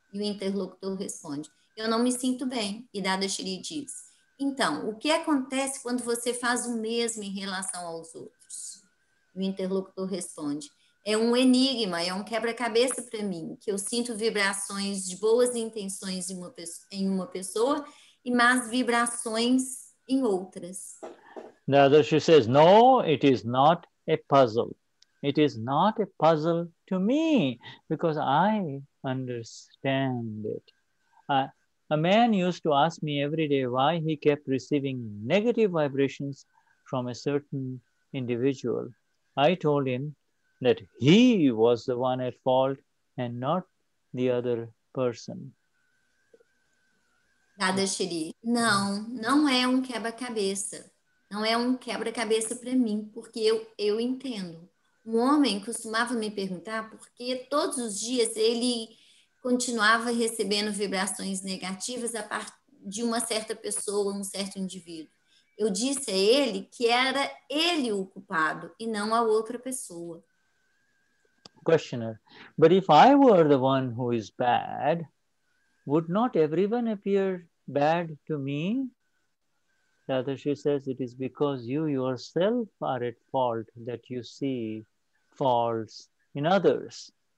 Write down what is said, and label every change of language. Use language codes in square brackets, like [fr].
[pt] E o interlocutor responde, eu não me sinto bem. E Dadashri diz, então, o que acontece quando você faz o mesmo em relação aos outros? E o interlocutor responde, é um enigma, é um quebra-cabeça para mim, que eu sinto vibrações de boas intenções em uma pessoa e más vibrações em outras. [en] Now she says, no, it is not a puzzle. It is not a puzzle to me, because I understand it. A man used to ask me every day why he kept receiving negative vibrations from a certain individual. I told him that he was the one at fault and not the other person. [pt] Dadashri, não é um quebra-cabeça. Não é um quebra-cabeça para mim, porque eu entendo. Um homem costumava me perguntar por que todos os dias ele continuava recebendo vibrações negativas a partir de uma certa pessoa, um certo indivíduo. Eu disse a ele que era ele o culpado e não a outra pessoa. [en] Questioner, but if I were the one who is bad, would not everyone appear bad to me? Rather, she says, it is because you yourself are at fault that you see faults in others.